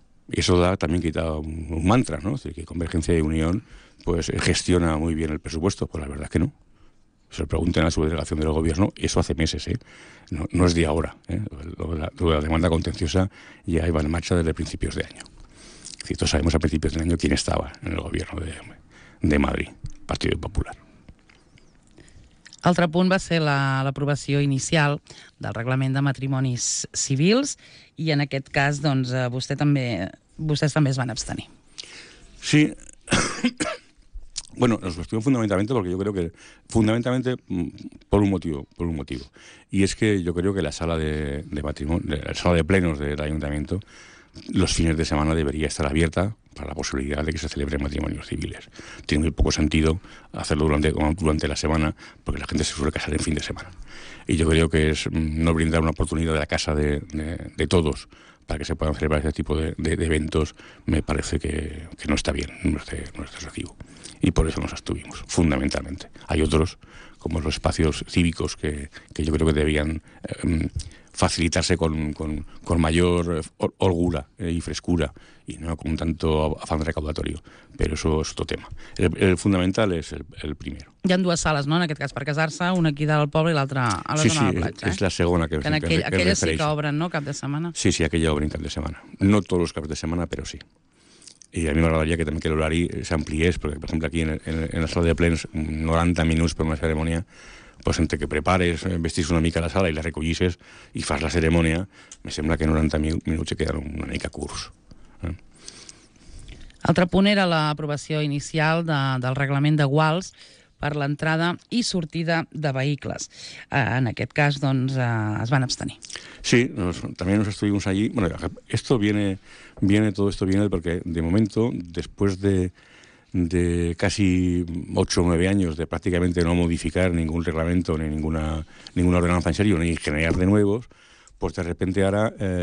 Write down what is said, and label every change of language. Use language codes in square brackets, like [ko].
[es] Y eso da también quitado un mantra, ¿no? Es decir, que Convergencia y Unión pues gestiona muy bien el presupuesto. Pues la verdad es que no. Se lo pregunten a la subdelegación del Gobierno, eso hace meses, ¿eh? No es de ahora, ¿eh? La demanda contenciosa ya iba en marcha desde principios de año. Es decir, todos sabemos a principios de año quién estaba en el Gobierno de Madrid, Partido Popular. [ca] Altre punt va ser l'aprovació inicial del reglament de matrimonis civils i en aquest cas doncs, vostès també es van abstenir. Sí. [es] Bueno, nos abstuvimos fundamentalmente porque yo creo que fundamentalmente por un motivo. Y es que yo creo que la sala de plenos del ayuntamiento los fines de semana debería estar abierta para la posibilidad de que se celebren matrimonios civiles. Tiene muy poco sentido hacerlo durante la semana porque la gente se suele casar en fin de semana. Y yo creo que es no brindar una oportunidad de la casa de todos para que se puedan celebrar ese tipo de eventos, me parece que no está bien, no es objetivo. Y por eso nos abstuvimos, fundamentalmente. Hay otros, como los espacios cívicos, que yo creo que debían facilitarse con mayor holgura y frescura y no con tanto afán recaudatorio. Pero eso es otro tema. El fundamental es el primero. [ca] Hi ha dues sales, no?, en aquest cas, per casar-se, una aquí dalt al poble i l'altra a la zona de la platja. Sí, és la segona que refereix. Aquella sí que obren, no?, cap de setmana. Sí, aquella obren cap de setmana. No tots els caps de setmana, però sí. [es] Y a mí me agradaría que también que el horario se amplíe, porque por ejemplo aquí en la sala de plenos 90 minutos por una ceremonia, pues entre que prepares, [ca] vestís una mica la sala y la recollises y fas la ceremonia, me sembla que [es] 90 minutos quedan [ca] una mica curts. Altre punt era l'aprovació inicial del reglament de guals per l'entrada i sortida de vehicles. En aquest cas, doncs, es van abstenir. [es] Sí, també nos estuvimos allí. Bueno, esto viene, todo esto viene porque, de momento, después de casi 8 o 9 años de prácticamente no modificar ningún reglamento ni ninguna ordenanza en serio, ni generar de nuevos, pues de repente ahora